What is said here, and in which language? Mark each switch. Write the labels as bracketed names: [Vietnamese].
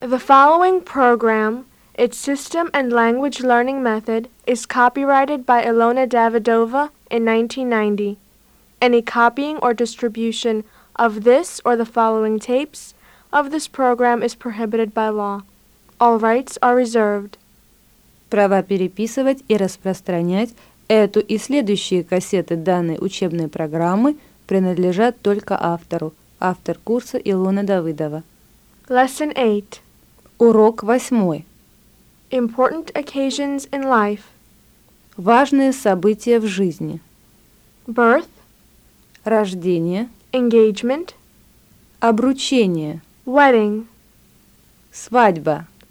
[English] The following program, its system and language learning method, is copyrighted by Ilona Davidova in 1990. Any copying or distribution of this or the following tapes of this program is prohibited by law. All rights are reserved. [Russian] Права переписывать и распространять эту и следующие кассеты данной учебной программы принадлежат только автору, автор курса Илона Давыдова. [English] Lesson 8. [Russian] Урок 8. [English] Important occasions in life. [Russian] Важные события в жизни. [English] Birth. [Russian] Рождение. [English] Engagement. [Russian] Обручение. [English] Wedding. [Russian] Свадьба.